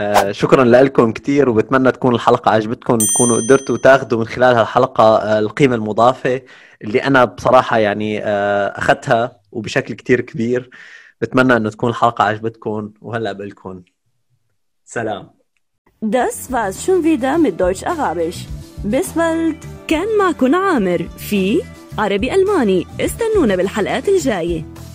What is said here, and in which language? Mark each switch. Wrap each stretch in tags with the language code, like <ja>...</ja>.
<ar>شكرا لكم كثير، وبتمنى تكون الحلقة عجبتكم، تكونوا قدرتوا تاخذوا من خلال هالحلقة القيمة المضافة اللي أنا بصراحة يعني أخذتها وبشكل كثير كبير. بتمنى أن تكون الحلقة عجبتكم، وهلأ بقلكم سلام.</ar> <de>Das war's schon wieder mit Deutsch Arabisch. Bis bald.</de> <ar>كان معكم عامر في عربي ألماني. استنونا بالحلقات الجاية.</ar>